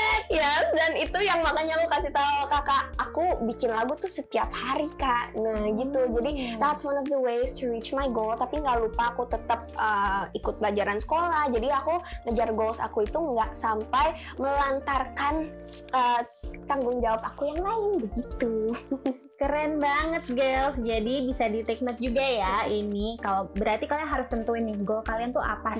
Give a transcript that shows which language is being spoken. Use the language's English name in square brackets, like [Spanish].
[Indonesian] Yes, dan itu yang makanya aku kasih tahu kakak, aku bikin lagu tuh setiap hari, Kak. Nah gitu, jadi [English] that's one of the ways to reach my goal. [Indonesian] Tapi gak lupa aku tetap ikut pelajaran sekolah. Jadi aku ngejar goals aku itu gak sampai melantarkan tanggung jawab aku yang lain, begitu. Keren banget, girls. Jadi bisa di take note juga ya ini. Kalau berarti kalian harus tentuin nih goal kalian tuh apa.